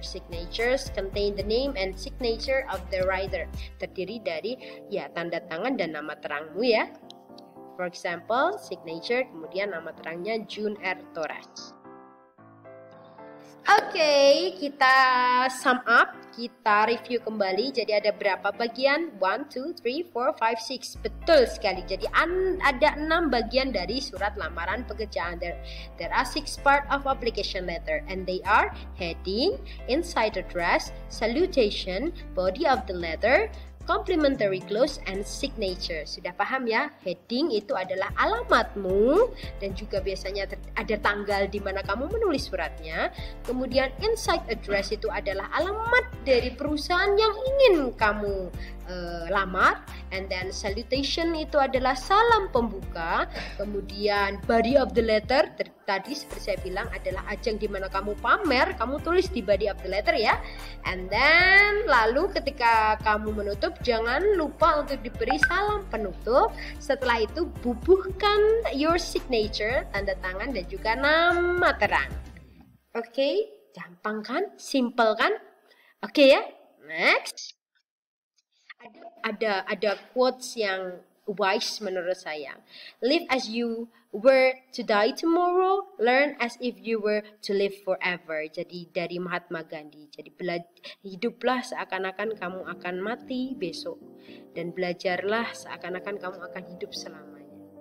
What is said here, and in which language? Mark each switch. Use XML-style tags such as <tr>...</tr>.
<en>Signatures contain the name and signature of the writer.</en> <id>Terdiri dari ya tanda tangan dan nama terangmu ya.</id> <en>For example, signature,</en> <id>kemudian nama terangnya</id> <en>June R. Torres.</en> <id>Okay, kita sum up, kita review kembali. Jadi ada berapa bagian? 1, 2, 3, 4, 5, 6. Betul sekali. Jadi ada 6 bagian dari surat lamaran pekerjaan.</id> <en>There are 6 parts of application letter. And they are heading, inside address, salutation, body of the letter, complimentary clause, and signature.</en> <id>Sudah paham ya? Heading itu adalah alamatmu, dan juga biasanya ada tanggal di mana kamu menulis suratnya. Kemudian inside address itu adalah alamat dari perusahaan yang ingin kamu lamar.</id> <en>And then</en> <id>salutation itu adalah salam pembuka. Kemudian body of the letter, tadi seperti saya bilang adalah ajang di mana kamu pamer, kamu tulis di body of the letter ya.</id> <en>And then</en> <id>lalu ketika kamu menutup, jangan lupa untuk diberi salam penutup. Setelah itu bubuhkan</id> <en>your signature,</en> <id>tanda tangan, dan juga nama terang. Okay, gampang kan? Simple kan? Okay ya, next. Ada quotes yang wise menurut saya.</id> <en>Live as you were to die tomorrow, learn as if you were to live forever.</en> <id>Jadi dari Mahatma Gandhi. Jadi hiduplah seakan-akan kamu akan mati besok, dan belajarlah seakan-akan kamu akan hidup selamanya.</id>